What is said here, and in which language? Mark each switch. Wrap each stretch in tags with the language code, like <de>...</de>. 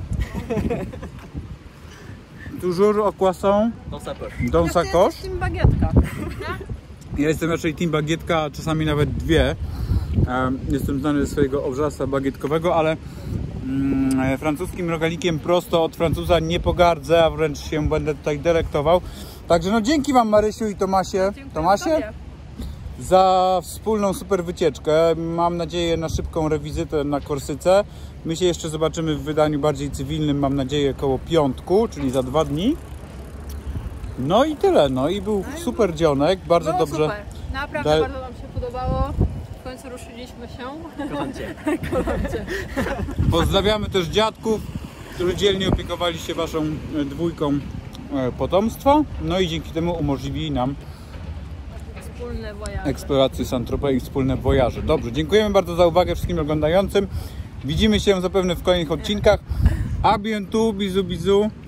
<fr>Français a toujours des croissants dans sa poche. Toujours au croissant? Dans sa poche. Dans</fr> <pl>ja</pl> <fr>sa coche?</fr> <pl>Ja jestem raczej team bagietka, czasami nawet dwie. Jestem znany ze swojego obrzasa bagietkowego, ale francuskim rogalikiem prosto od Francuza nie pogardzę, a wręcz się będę tutaj delektował. Także no dzięki wam Marysiu i Tomasie. Dziękuję Tomasie? Tobie. Za wspólną super wycieczkę. Mam nadzieję na szybką rewizytę na Korsyce. My się jeszcze zobaczymy w wydaniu bardziej cywilnym, mam nadzieję, koło piątku, czyli za dwa dni. No i tyle. No i był super dzionek. Bardzo było dobrze. Super. Naprawdę bardzo wam się podobało. W końcu ruszyliśmy się. Kolancie. Pozdrawiamy też dziadków, którzy dzielnie opiekowali się waszą dwójką potomstwa. No i dzięki temu umożliwili nam eksploracje Saint-Tropez i wspólne wojaże. Dobrze, dziękujemy bardzo za uwagę wszystkim oglądającym. Widzimy się zapewne w kolejnych odcinkach.</pl> <fr>A bientôt, bisous, bisous.</fr>